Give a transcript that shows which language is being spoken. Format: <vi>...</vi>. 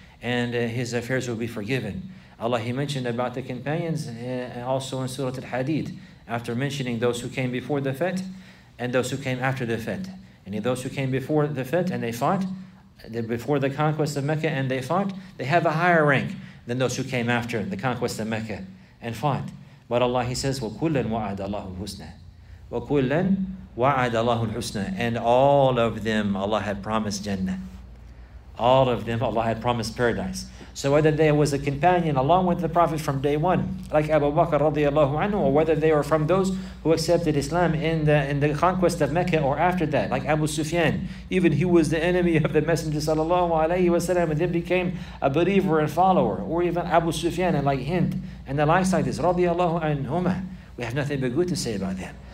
<en>And his affairs will be forgiven. Allah, he mentioned about the companions also in Surah Al-Hadid, after mentioning those who came before the Fath and those who came after the Fath. And those who came before the Fath and they fought, before the conquest of Mecca and they fought, they have a higher rank than those who came after the conquest of Mecca and fought. But Allah, he says,</en> <ar>وَكُلًّا وَعَدَ اللَّهُ الْحُسْنَى وَكُلًّا وَعَدَ اللَّهُ الْحُسْنَى.</ar> <en>And all of them Allah had promised Jannah. All of them Allah had promised paradise. So whether they was a companion along with the Prophet from day one, like Abu Bakr radiallahu anhu, or whether they were from those who accepted Islam in the conquest of Mecca or after that, like Abu Sufyan, even he was the enemy of the Messenger sallallahu alayhi wa sallam and then became a believer and follower, or even Abu Sufyan and like Hind and the likes like this, radiallahu anhumah, we have nothing but good to say about them.</en>